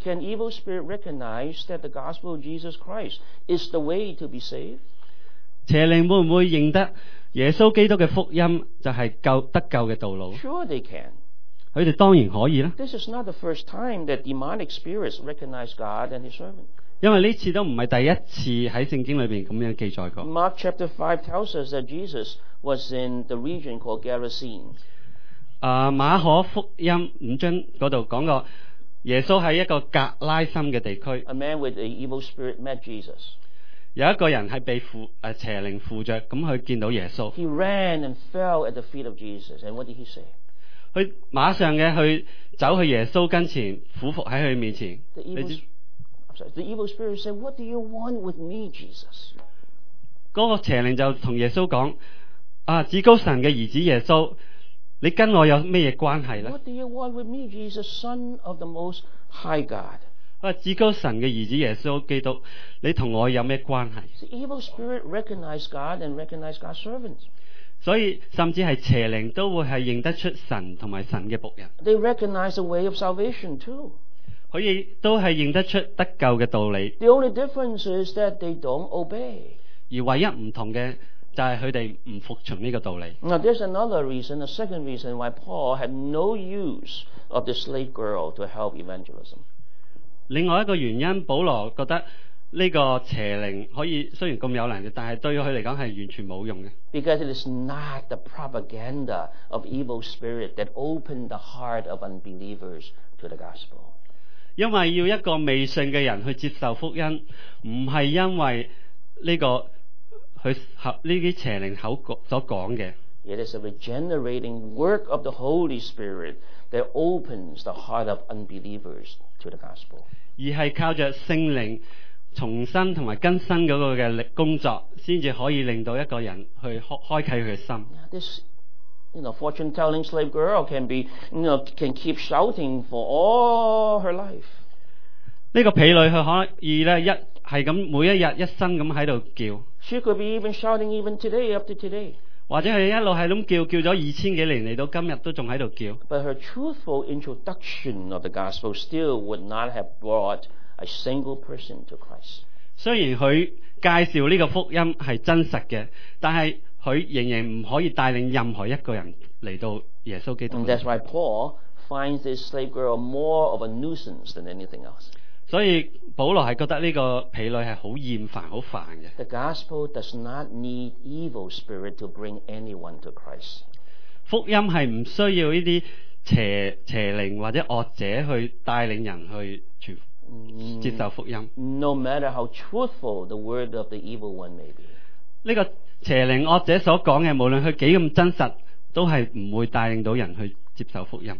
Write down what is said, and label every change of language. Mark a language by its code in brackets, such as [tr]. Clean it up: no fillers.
[en] ?Can evil spirit recognize that the gospel of Jesus Christ is the way to be saved? [zh] 邪灵会不会认得耶稣基督的福音就是救得救的道路 [en] ?Sure they can. [zh] 他们当然可以。 [en] This is not the first time that demonic spirits recognize God and his servant. [zh] 因为这次都不是第一次在圣经里面这样记载过。 [en] Mark chapter 5 tells us that Jesus was in the region called Gerasene. [zh] 马可福音五章那里讲过耶稣在一个格拉森的地区。 [en] A man with an evil spirit met Jesus. [zh] 有一个人是被邪灵附着他见到耶稣。 [en] He ran and fell at the feet of Jesus. And what did he say? [zh] 他马上的去走去耶稣跟前俯伏在他面前 [en] The evil spirit said What do you want with me Jesus [zh] 那个邪灵就跟耶稣说、啊、至高神的儿子耶稣你跟我有什么关系呢 [en] What do you want with me Jesus Son of the most high God、 [zh] 啊、至高神的儿子耶稣基督你跟我有什么关系 [en] The evil spirit recognized God and recognized God's servants [zh] 所以甚至是邪灵都会是认得出神和神的仆人 [en] They recognize the way of salvation too [zh] 他们都是认得出得救的道理 [en] The only difference is that they don't obey [zh] 而唯一不同的就是他们不服从这个道理 [en] Now there's another reason, a second reason why Paul had no use of the slave girl to help evangelism [zh] 另外一个原因保罗觉得这个邪灵可以虽然这么有能力但是对他来讲是完全没有用的 [en] Because it is not the propaganda of evil spirit that opened the heart of unbelievers to the gospel [zh] 因为要一个未信的人去接受福音不是因为这个这些邪灵所讲的 [en] It is a regenerating work of the Holy Spirit that opens the heart of unbelievers to the gospel [zh] 而是靠着圣灵重新和更新那个力工作才可以令到一个人去开启他的心 [en] This you know, fortune telling slave girl can be you know, can keep shouting for all her life [zh] 这个婢女她可以呢一是这样每一天一生这样在这里叫 [en] She could be even shouting even today up to today [zh] 或者她一直在这样叫叫了二千多年来到今天都还在这里叫 [en] But her truthful introduction of the gospel still would not have brought a single person to Christ. [zh] 虽然他介绍这个福音是真实的但是他仍然不可以带领任何一个人来到耶稣基督。 [en] And that's why Paul finds this slave girl more of a nuisance than anything else. [zh] 所以保罗是觉得这个婢女是很厌烦很烦的。 [en] The gospel does not need evil spirit to bring anyone to Christ. [zh] 福音是不需要这些 邪灵或者恶者去带领人去传福音。接受福音 [en] No matter how truthful the word of the evil one may be [zh] 这个邪灵恶者所讲的无论他几咁真实都是不会带领到人去接受福音